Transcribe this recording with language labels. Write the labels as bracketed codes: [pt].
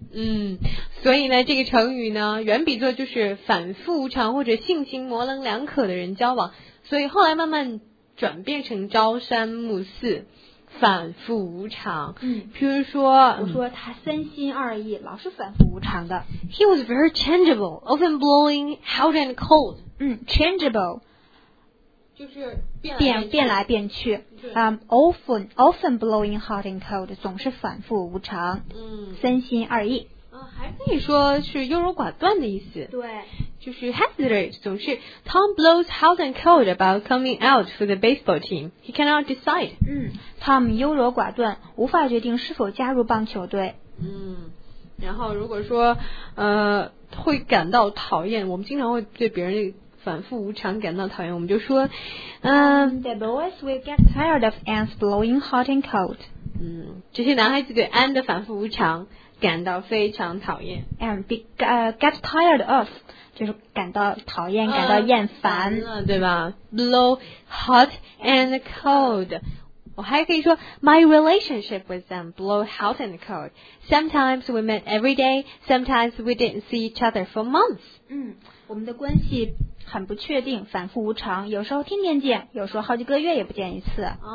[zh] 嗯，所以呢，这个成语呢，原比作就是反复无常或者性情模棱两可的人交往，所以后来慢慢转变成朝三暮四，反复无常。嗯，譬如说，我说他三心二意，老是反复无常的。 [en] He was very changeable, often blowing hot and cold. 嗯 ，changeable [zh] 就是变来变去。 often blowing hot and cold 总是反复无常、嗯、三心二意、还可以说是优柔寡断的意思对 [en] 就是 hesitate 总是 Tom blows hot and cold about coming out for the baseball team he cannot decide、 [zh] 嗯、Tom 优柔寡断无法决定是否加入棒球队嗯，然后如果说会感到讨厌我们经常会对别人反复无常感到讨厌我们就说、 [en] The boys will get tired of Anne's blowing hot and cold [zh] 嗯，这些男孩子对 Anne 的反复无常感到非常讨厌。 Get tired of 就是感到讨厌，感到厌烦， [en] 对吧？Blow hot and cold。我还可以说，my relationship with them blow hot and cold. Sometimes we met every day, sometimes we didn't see each other for months. [zh] 我们的关系很不确定，反复无常，有时候天天见，有时候好几个月也不见一次。